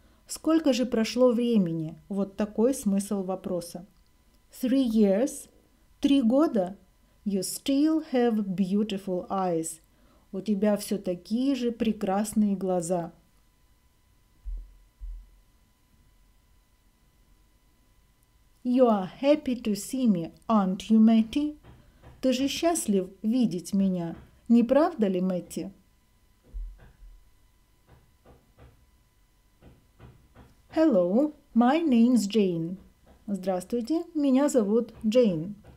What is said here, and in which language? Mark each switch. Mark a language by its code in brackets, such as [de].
[ru] Сколько же прошло времени? Вот такой смысл вопроса. [en] 3 years. [ru] 3 года. [en] You still have beautiful eyes. [ru] У тебя все такие же прекрасные глаза. [en] You are happy to see me, aren't you, Matty? [ru] Ты же счастлив видеть меня, не правда ли, Мэтти? [en] Hello, My name's Jane. [ru] Здравствуйте, меня зовут Джейн.